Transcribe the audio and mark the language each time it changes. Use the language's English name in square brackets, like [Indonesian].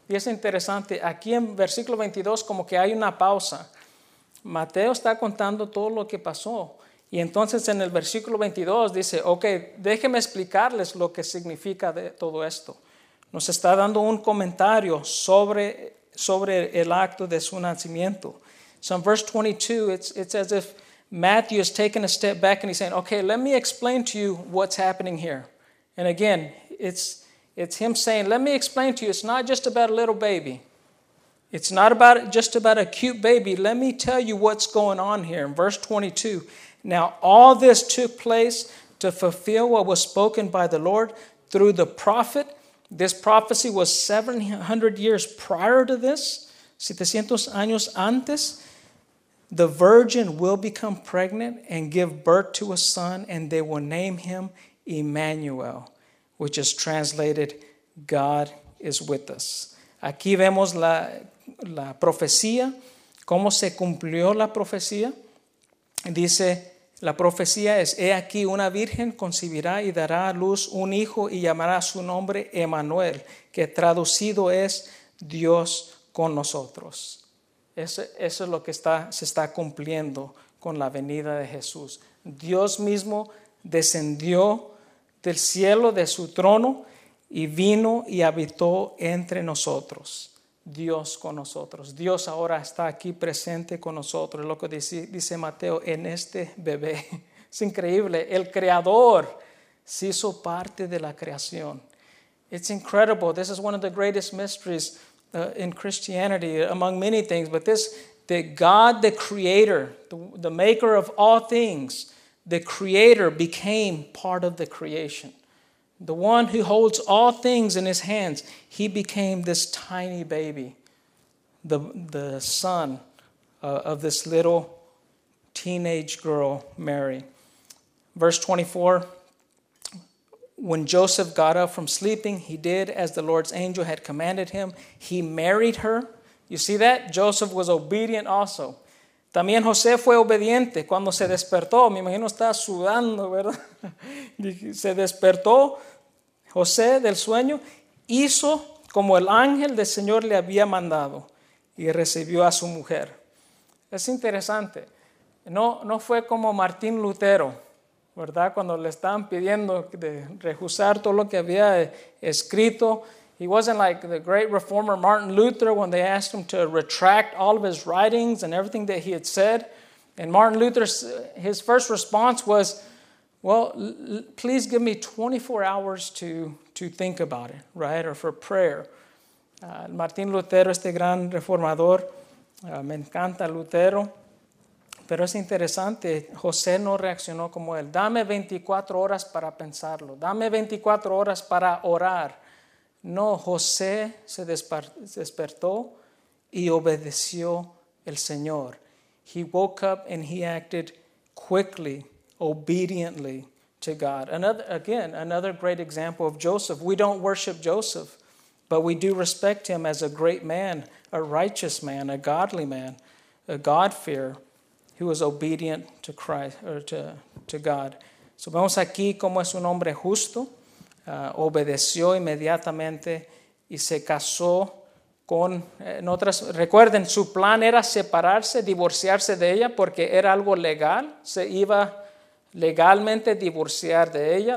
[Spanish] Y es interesante, aquí en versículo 22 como que hay una pausa. Mateo está contando todo lo que pasó. Y entonces en el versículo 22 dice, ok, déjeme explicarles lo que significa de todo esto. Nos está dando un comentario sobre el acto de su nacimiento. [English] So in verse 22, it's as if Matthew is taking a step back and he's saying, okay, let me explain to you what's happening here. And again, it's him saying, let me explain to you, it's not just about a little baby. It's not about just about a cute baby. Let me tell you what's going on here. In verse 22, now all this took place to fulfill what was spoken by the Lord through the prophet. This prophecy was 700 years prior to this. [Spanish] 700 años antes, [English] the virgin will become pregnant and give birth to a son, and they will name him Emmanuel, which is translated, God is with us. [Spanish] Aquí vemos la profecía, cómo se cumplió la profecía. Dice, la profecía es, he aquí una virgen concebirá y dará a luz un hijo y llamará su nombre Emmanuel, que traducido es Dios con nosotros. Eso es lo que se está cumpliendo con la venida de Jesús. Dios mismo descendió del cielo de su trono y vino y habitó entre nosotros. Dios con nosotros. Dios ahora está aquí presente con nosotros. Lo que dice Mateo en este bebé. Es increíble. El creador, se hizo parte de la creación. [English] It's incredible. This is one of the greatest mysteries in Christianity, among many things. But this, that God, the creator, the maker of all things, the creator became part of the creation. The one who holds all things in his hands, he became this tiny baby, the son of this little teenage girl, Mary. Verse 24, when Joseph got up from sleeping, he did as the Lord's angel had commanded him. He married her. You see that? Joseph was obedient also. [Spanish] También José fue obediente cuando se despertó. Me imagino estaba sudando, ¿verdad? Se despertó José del sueño, hizo como el ángel del Señor le había mandado y recibió a su mujer. Es interesante. No fue como Martín Lutero, ¿verdad? Cuando le estaban pidiendo de rehusar todo lo que había escrito. [English] He wasn't like the great reformer Martin Luther when they asked him to retract all of his writings and everything that he had said. And Martin Luther's his first response was, well, please give me 24 hours to think about it, right? Or for prayer. [Spanish] Martin Lutero, este gran reformador, me encanta Lutero. Pero es interesante, José no reaccionó como él. Dame 24 horas para pensarlo. Dame 24 horas para orar. No, José se despertó y obedeció el Señor. [English] He woke up and he acted quickly, obediently to God. Another great example of Joseph. We don't worship Joseph, but we do respect him as a great man, a righteous man, a godly man, a God-fearer who was obedient to Christ or to God. [Spanish] So vemos aquí cómo es un hombre justo. Obedeció inmediatamente y se casó con otras. Recuerden, su plan era separarse, divorciarse de ella porque era algo legal. Se iba legalmente divorciar de ella.